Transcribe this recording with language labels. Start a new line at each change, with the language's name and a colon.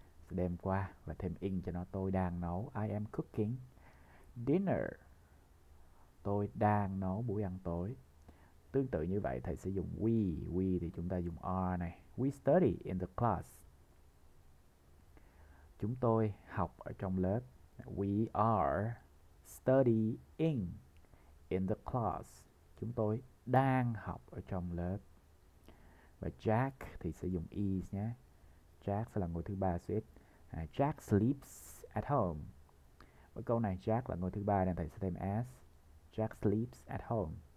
Vietnamese: Sẽ đem qua và thêm in cho nó. Tôi đang nấu.
English: I am cooking dinner.
Vietnamese: Tôi đang nấu buổi ăn tối. Tương tự như vậy, thầy sẽ dùng we. We thì chúng ta dùng are này.
English: We study in the class.
Vietnamese: Chúng tôi học ở trong lớp.
English: We are studying in the class.
Vietnamese: Chúng tôi đang học ở trong lớp. Và Jack thì sẽ dùng is nhé. Jack sẽ là ngôi thứ ba suýt.
English: Jack sleeps at home.
Vietnamese: Với câu này, Jack là ngôi thứ ba nên thầy sẽ thêm s.
English: Jack sleeps at home.